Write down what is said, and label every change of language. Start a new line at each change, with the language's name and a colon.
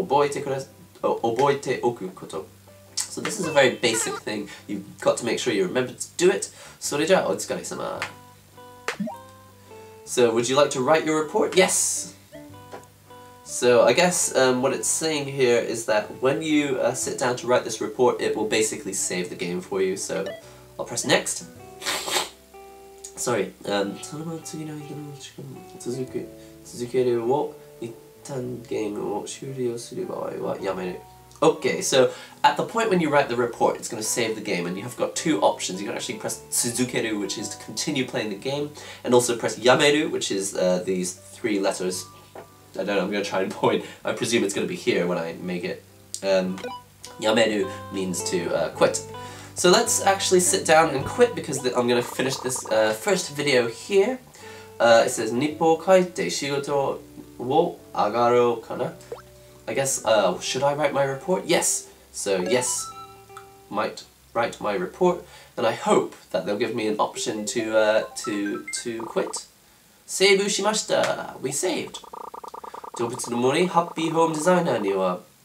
Japanese: これ基本中の基本だからちゃんと覚えておくこと.
English: So this is a very basic thing. You've got to make sure you remember to do it.
Japanese: それじゃあお疲れ様.
English: So would you like to write your report? Yes! So I guess what it's saying here is that when you sit down to write this report, it will basically save the game for you. So I'll press next. Sorry,
Japanese: その次の日の仕事を続けるを一旦ゲームを終了する場合はやめる.
English: Okay, so at the point when you write the report, it's going to save the game, and you have got two options. You can actually press 続ける, which is to continue playing the game, and also press やめる, which is these three letters. I don't know, I'm going to try and point. I presume it's going to be here when I make it. やめる means to quit. So let's actually sit down and quit because I'm going to finish this first video here. It says,
Japanese: 日報を書いて仕事を上がろうかな?
English: I guess, should I write my report? Yes. So yes, might write my report. And I hope that they'll give me an option to quit.
Japanese: Save しました!
English: We saved!
Japanese: 動物の森ハッピーホームデザイナーには...